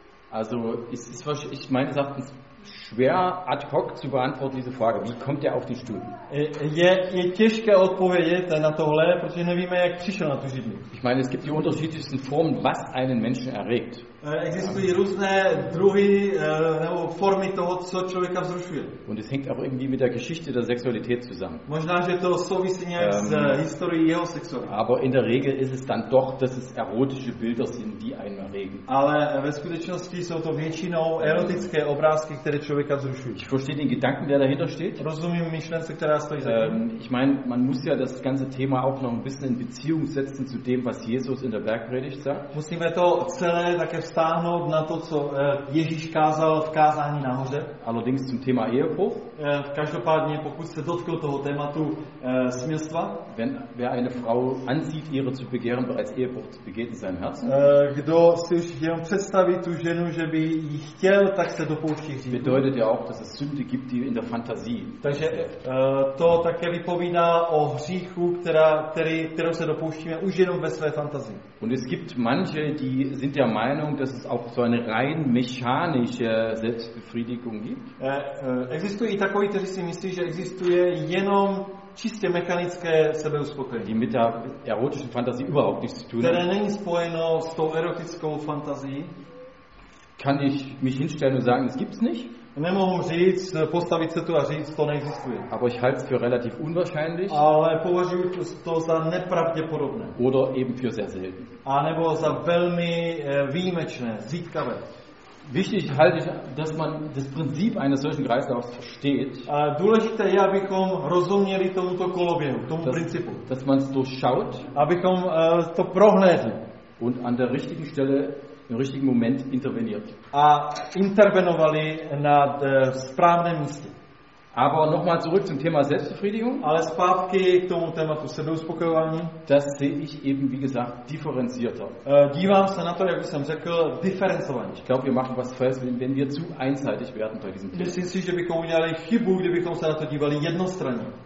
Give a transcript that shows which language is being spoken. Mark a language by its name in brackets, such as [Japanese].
[German] Also ich meine, sagt es schwer ad hoc zu beantworten diese Frage. Wie kommt er auf den Stuhl? [Czech] Je těžké odpovědět na tohle, protože nevíme, jak přišel na tu židli. [German] Ich meine, es gibt die unterschiedlichsten Formen, was einen Menschen erregt. [Czech] Existují různé druhy nebo formy toho, co člověka vzrušuje. [German] Und es hängt auch irgendwie mit der Geschichte der Sexualität zusammen. [Czech] Možná, že to souvisí nějak s historií jeho sexuality. [German] Aber in der Regel ist es dann doch, dass es erotische Bilder sind, die einen erregen. [Czech] Ale ve skutečnosti jsou to většinou erotické obrázky, které člověka vzrušují. [German] Ich verstehe den Gedanken, der dahinter steht. [Czech] Rozumím myšlence, která stojí za tím. [German] Ich meine, man muss ja das ganze Thema auch noch ein bisschen in Beziehung setzen zu dem, was Jesus in der Bergpredigt sagt. [Czech] Musíme to celé také stáhnout na to, co Ježíš kázal v kázání nahoře. [German] Allerdings zum Thema Ehebruch. [Czech] Každopádně, pokud se dotkl toho tématu smilstva. [German] Wer eine Frau ansieht, ihre zu begehren, bereits Ehebruch begeht in seinem Herzen. [Czech] Kdo si už jenom představí tu ženu, že by ji chtěl, tak se dopouští hříchu. [German] Bedeutet ja auch, dass es Sünde gibt, die in der Fantasie. [Czech] Takže to také vypovídá o hříchu, kterou se dopouštíme už jenom ve své fantazii. [German] Und es gibt manche, die sind der Meinung, dass es auch so eine rein mechanische Selbstbefriedigung gibt. [Czech] Existují takový, kteří si myslí, že existuje jenom čistě mechanické sebeuspokojení. [German] Die mit der erotischen Fantasie überhaupt nichts zu tun hat. [Czech] Které není spojeno s tou erotickou fantazií. [German] Kann ich mich hinstellen und sagen, es gibt's nicht? [Czech] Nemohu říct, postavit se tu a říct, to neexistuje. [German] Aber ich halte es für relativ unwahrscheinlich. [Czech] Ale považuji to za nepravděpodobné. [German] Oder eben für sehr selten. [Czech] A nebo za velmi výjimečné, zítkavé. [German] Wichtig halte ich, dass man das Prinzip eines solchen Kreislaufs versteht. [Czech] Důležité je, abychom rozuměli tomuto koloběhu, tomu principu. [German] Dass man es durchschaut. [Czech] Abychom to prohlédli. [German] Und an der richtigen Stelle im richtigen Moment interveniert. [Czech] A intervenovali na správném místě. [German] Aber nochmal zurück zum Thema Selbstbefriedigung. [Czech] Ale zpátky k tomu tématu sebeuspokojování. [German] Das sehe ich eben, wie gesagt, differenzierter. [Czech] Dívám se na to, jak jsem řekl, diferencovaně. [German] Ich glaube, wir machen was falsch, wenn wir zu einseitig werden bei diesem Thema. [Czech] Myslím si, že bychom udělali chybu, kdybychom se na to dívali jednostranně.